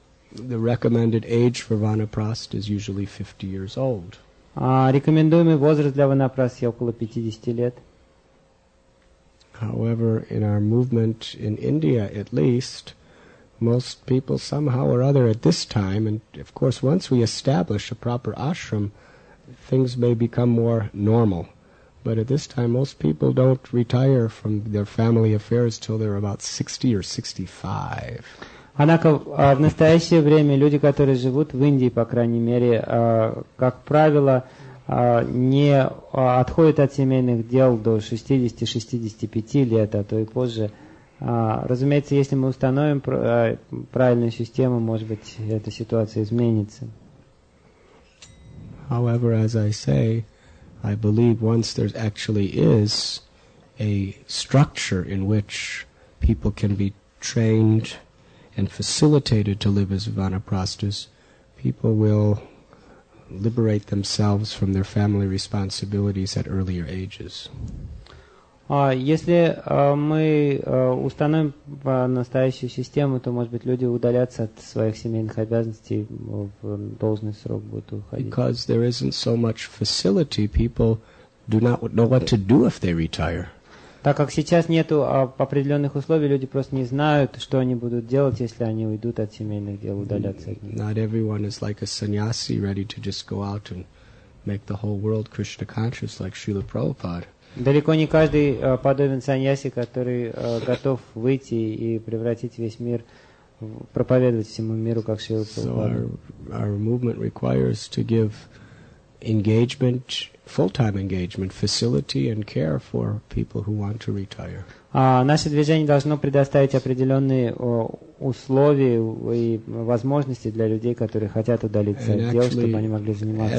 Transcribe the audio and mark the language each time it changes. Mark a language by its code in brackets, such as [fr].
[en] The recommended age for Vanaprastha is usually 50 years old. [ru] Рекомендуемый возраст для Ванапрасты около 50 лет. [en] However, in our movement in India at least, most people somehow or other at this time, and of course once we establish a proper ashram, things may become more normal. But at this time, most people don't retire from their family affairs till they're about 60 or 65. [ru] Однако в настоящее время люди, которые живут в Индии, по крайней мере, как правило, не отходят от семейных дел до 60-65 лет, а то и позже. Разумеется, если мы установим правильную систему, может быть, эта ситуация изменится. [en] However, as I say, I believe once there actually is a structure in which people can be trained and facilitated to live as Vanaprasthas, people will liberate themselves from their family responsibilities at earlier ages. [ru] Если мы установим настоящую систему, то, может быть, люди удалятся от своих семейных обязанностей в должный срок будут уходить. [en] Because there isn't so much facility, people do not know what to do if they retire. [ru] Так как сейчас нету определенных условий, люди просто не знают, что они будут делать, если они уйдут от семейных дел, удалятся от них. [en] Not everyone is like a sannyasi, ready to just go out and make the whole world Krishna conscious, like Srila Prabhupada. [ru] Далеко не каждый подобен саньяси, который готов выйти и превратить весь мир, проповедовать всему миру, как Шрила Прабхупада. [en] So our movement requires to give engagement, full-time engagement, facility and care for people who want to retire. [ru] Наше движение должно предоставить определенные условия и возможности для людей, которые хотят удалиться от дел, чтобы они могли заниматься.